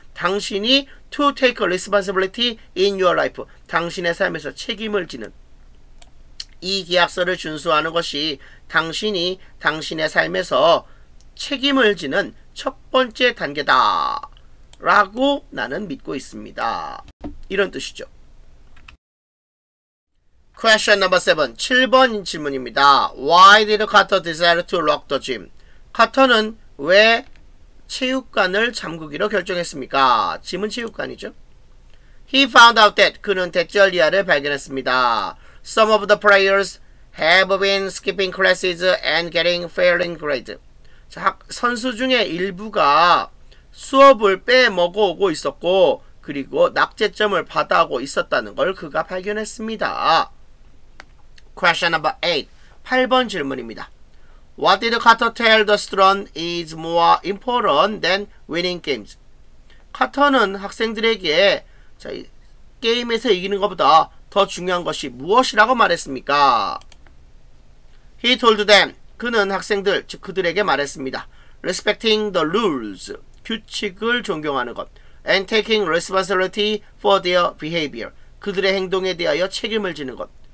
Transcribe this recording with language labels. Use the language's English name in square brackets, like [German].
[Korean] 당신이 [English] to take a responsibility in your life. [Korean] 당신의 삶에서 책임을 지는. 이 계약서를 준수하는 것이 당신이 당신의 삶에서 책임을 지는 첫 번째 단계다. 라고 나는 믿고 있습니다. 이런 뜻이죠. [English] Question number 7. [Korean] 7번 질문입니다. [English] Why did Carter decide to lock the gym? [Korean] 카터는 왜 체육관을 잠그기로 결정했습니까? 짐은 체육관이죠. [English] He found out that [Korean] 그는 대절리아를 발견했습니다. [English] Some of the players have been skipping classes and getting failing grades. [Korean] 선수 중에 일부가 수업을 빼먹어오고 있었고 그리고 낙제점을 받아오고 있었다는 걸 그가 발견했습니다. [English] Question number 8. [Korean] 8번 질문입니다. [English] What did Carter tell the student is more important than winning games? [Korean] 카터는 학생들에게 게임에서 이기는 것보다 더 중요한 것이 무엇이라고 말했습니까? [English] He told them, [Korean] 그는 학생들, 즉 그들에게 말했습니다. [English] Respecting the rules, [Korean] 규칙을 존경하는 것, [English] and taking responsibility for their behavior, [Korean] 그들의 행동에 대하여 책임을 지는 것.